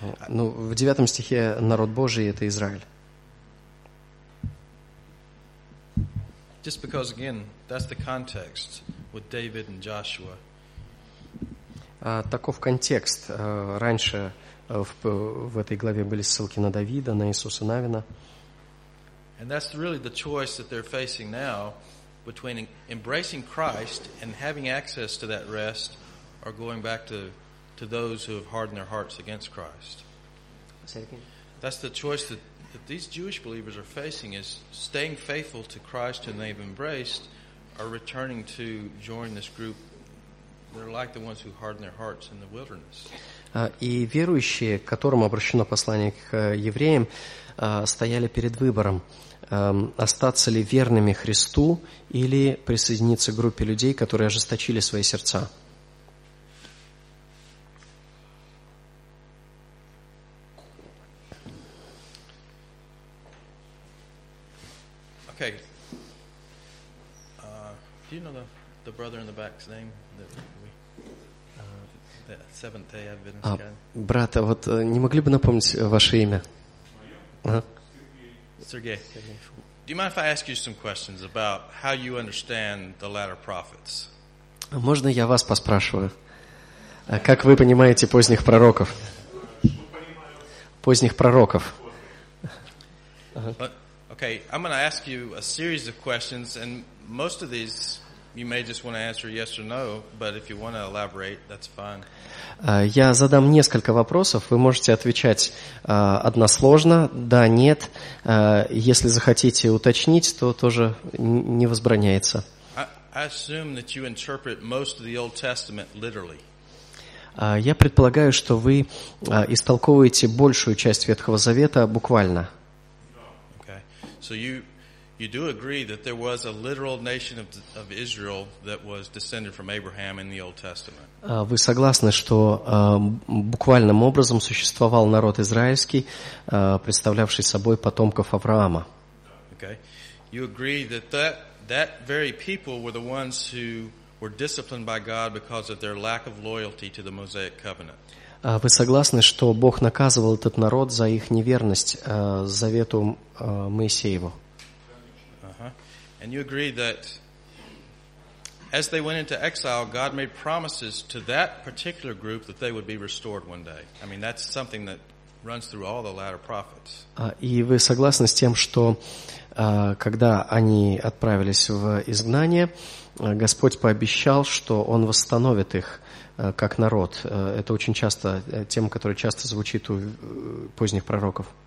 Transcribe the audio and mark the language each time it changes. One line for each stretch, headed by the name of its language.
Russian: Ну, в 9 стихе народ Божий это Израиль.
English: Just because again, that's the context with David and Joshua.
Russian: Таков контекст. Раньше в этой главе были ссылки на Давида, на Иисуса Навина.
English: And that's really the choice that they're facing now. Between embracing Christ and having access to that rest, or going back to those who have hardened their hearts against Christ. Say it again. That's the choice that these Jewish believers are facing: is staying faithful to Christ whom they've embraced, or returning to join this group that are like the ones who hardened their hearts in the wilderness.
Russian: И верующие, к которым обращено послание к евреям, стояли перед выбором. Остаться ли верными Христу или присоединиться к группе людей, которые ожесточили свои сердца.
English: Okay. Do you know the brother in the back's name? The Seventh-day Adventist guy?
Russian: Брат, вот не могли бы напомнить ваше имя?
English: Sergey, do you mind if I ask you some questions about how you understand the latter prophets?
Russian: Можно я вас поспрашиваю, как вы понимаете поздних пророков? Поздних пророков.
English: Okay, I'm going to ask you a series of questions, and most of these you may just want to answer yes or no, but if you want to elaborate, that's fine.
Russian: Я задам несколько вопросов. Вы можете отвечать односложно, да, нет. Если захотите уточнить, то тоже не возбраняется.
English: I assume that you interpret most of the Old Testament literally.
Russian: Я предполагаю, что вы истолковываете большую часть Ветхого Завета буквально.
English: Okay. So you do agree that there was a literal nation of Israel that was descended from Abraham in the Old Testament.
Russian: Вы согласны, что буквальным образом существовал народ израильский, представлявший собой потомков Авраама?
English: Okay. You agree that very people were the ones who were disciplined by God because of their lack of loyalty to the Mosaic covenant.
Russian: Вы согласны, что Бог наказывал этот народ за их неверность завету Моисееву?
English: And you agree that as they went into exile, God made promises to that particular group that they would be restored one day. I mean, that's something that runs through all the latter prophets.
Russian: И вы согласны с тем, что когда они отправились в изгнание, Господь пообещал, что Он восстановит их как народ. Это очень часто тема, которая часто звучит у поздних пророков.